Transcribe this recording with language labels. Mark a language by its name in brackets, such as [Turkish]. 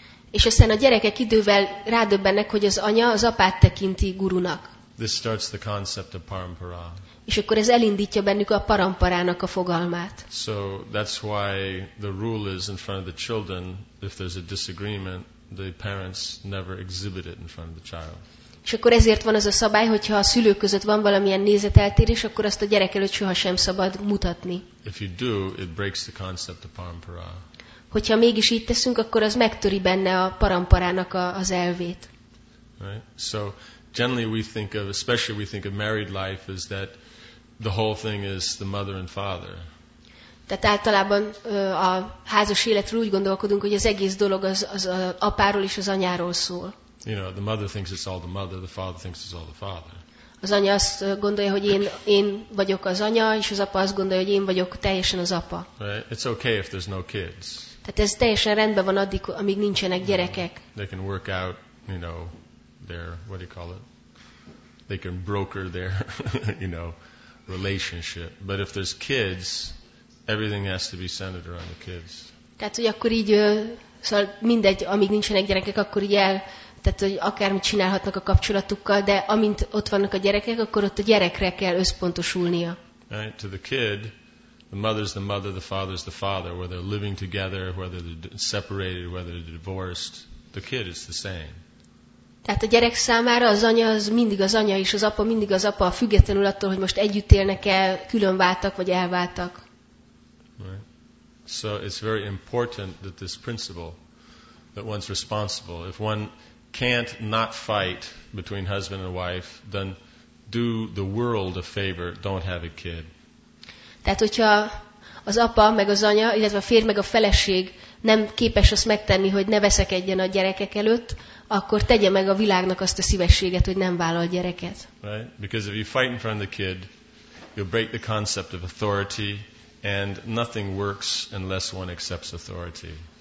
[Hungarian] És aztán a gyerekek idővel rádöbbennek, hogy az anya az apát tekinti gurunak. [English] This starts the concept of parampara. [Hungarian] És akkor ez elindítja bennük a paramparának a fogalmát. [English] So that's why the rule is in front of the children, if there's a disagreement, the parents never exhibit it in front of the child. [Hungarian] És akkor ezért van az a szabály, hogyha a szülők között van valamilyen nézeteltérés, akkor azt a gyerek előtt sohasem szabad mutatni. [English] If you do, it breaks the concept of parampara. [Hungarian] Hogyha mégis így teszünk, akkor az megtöri benne a paramparának az elvét. [English] Right. So generally we think of, especially we think of married life as that the whole thing is the mother and father. [Hungarian] Tehát általában a házas életről úgy gondolkodunk, hogy az egész dolog az apáról és az anyáról szól. [English] You know, the mother thinks it's all the mother, the father thinks it's all the father. [Hungarian] Az anya azt gondolja, hogy én vagyok az anya, és az apa azt gondolja, hogy én vagyok teljesen az apa. [English] Right. It's okay if there's no kids. [Hungarian] Tehát ez teljesen rendben van addig, amíg nincsenek gyerekek. [English] They can work out, you know, their, what do you call it? They can broker their, you know, relationship. But if there's kids, everything has to be centered around the kids. [Hungarian] Tehát, hogy akkor így, szóval mindegy, amíg nincsenek gyerekek, akkor így el, tehát, hogy akármit csinálhatnak a kapcsolatukkal, de amint ott vannak a gyerekek, akkor ott a gyerekre kell összpontosulnia. [English] Right, to the kid. The mother is the mother, the father is the father, whether they're living together, whether they're separated, whether they're divorced, the kid is the same. [Hungarian] Tehát a gyerek számára az anya az mindig az anya, és az apa mindig az apa, függetlenül attól, hogy most együtt élnek-e, külön váltak, vagy elváltak. [English] Right. So it's very important that this principle, that one's responsible. If one can't not fight between husband and wife, then do the world a favor, don't have a kid. [Hungarian] Tehát, hogyha az apa, meg az anya, illetve a férj, meg a feleség nem képes azt megtenni, hogy ne veszekedjen a gyerekek előtt, akkor tegye meg a világnak azt a szívességet, hogy nem vállal gyereket. [English] Right? Because if you fight in front of the kid, you'll break the concept of authority, and nothing works unless one accepts authority.